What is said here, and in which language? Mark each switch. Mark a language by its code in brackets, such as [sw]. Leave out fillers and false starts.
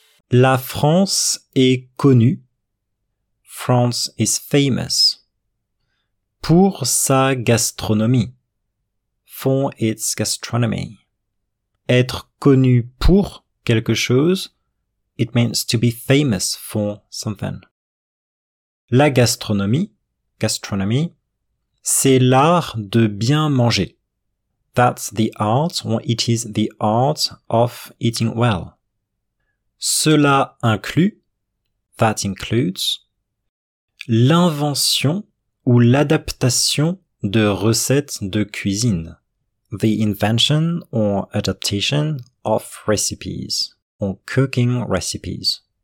[fr] La France est connue. [en] France is famous. [fr] Pour sa gastronomie. [en] For its gastronomy. [fr] Être connu pour quelque chose. [en] It means to be famous for something. [fr] La gastronomie. Gastronomy. C'est l'art de bien manger. [en] That's the art, or it is the art of eating well. [fr] Cela inclut, [en] that includes, [fr] l'invention ou l'adaptation de recettes de cuisine, [en] the invention or adaptation of recipes, or cooking recipes,